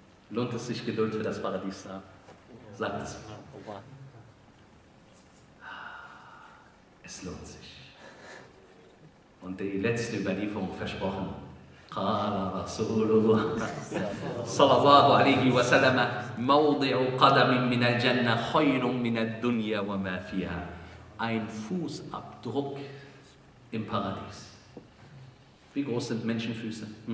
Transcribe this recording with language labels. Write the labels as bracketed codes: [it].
[de] Lohnt es sich, Geduld für das Paradies zu haben? Sagt es mir. Es lohnt sich. Und die letzte Überlieferung versprochen. [ar] قال رسول الله صلى الله عليه وسلم موضع قدم من الجنة خير من الدنيا وما فيها. [de] Ein Fußabdruck im Paradies. Wie groß sind Menschenfüße?